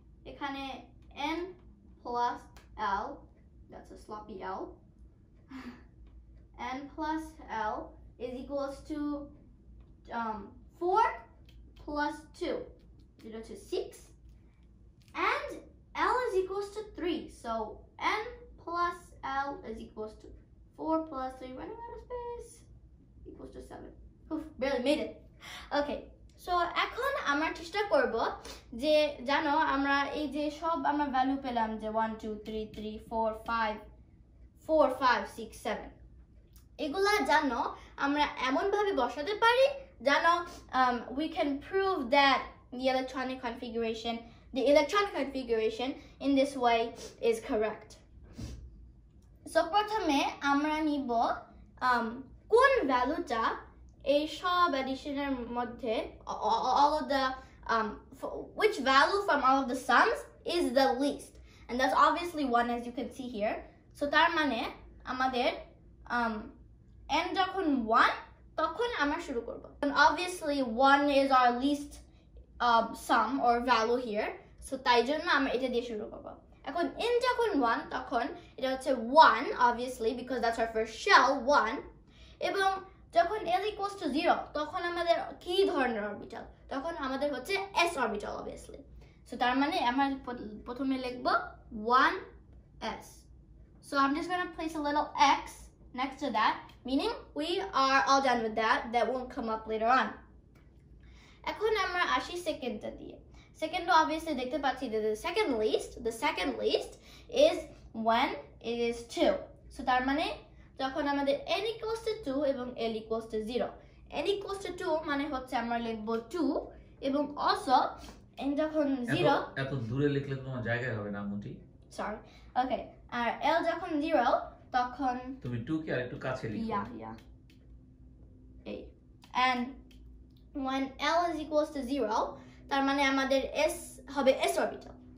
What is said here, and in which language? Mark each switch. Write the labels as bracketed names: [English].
[English] এখানে N plus L, that's a sloppy L, N plus L is equals to 4 plus 2, 0 to 6. And L is equals to 3. So N plus L is equals to 4 plus 3, running out of space, equals to 7. Oof, barely made it. Okay. [Bangla] So, এখন আমরা চেষ্টা করব যে জানো আমরা এই যে সব আমরা ভ্যালু পেলাম যে 1 2 3 3 4 5 4 5 6 7 এগুলা জানো আমরা এমন ভাবে বসাতে পারি জানো [English] we can prove that the electronic configuration in this way is correct. So [Bangla] প্রথমে আমরা নিব কোন ভ্যালুটা এই সব অ্যাডিশনের মধ্যে [English] all of the which value from all of the sums is the least, and that's obviously one, as you can see here. [Bangla] So তার মানে আমাদের n যখন 1 তখন আমরা শুরু করব, [English] and obviously 1 is our least sum or value here, so [Bangla] তাই জন্য আমরা এটা দিয়ে শুরু করব. এখন n যখন 1 তখন এটা হচ্ছে 1 obviously [English] because that's our first shell [Bangla] 1, এবং যখন l equals to 0 তখন আমাদের কি ধরনের অরবিটাল, তখন আমাদের হচ্ছে s অরবিটাল obviously. So তার মানে আমরা প্রথমে লিখব 1s. [English] So I'm just going to place a little x next to that, meaning we are all done with that, that won't come up later on. [Bangla] এখন আমরা আসি সেকেন্ডটা দিয়ে. সেকেন্ড obviously দেখতে পাচ্ছি যে [English] the second least is when it is 2. [Bangla] So তার মানে যখন আমাদের n equals to 2 এবং l equals to 0. n equals to 2 মানে হচ্ছে আমরা লিখব 2, এবং also n যখন 0 এত দূরে লিখলে তো তোমার জায়গায় হবে না মুটি, সরি. ওকে, আর l যখন 0 তখন তুমি 2 কে আরেকটু কাছে লিখো. ইয়া এই, [English] and when l is equals to 0 [Bangla] তার মানে আমাদের s হবে s orbital.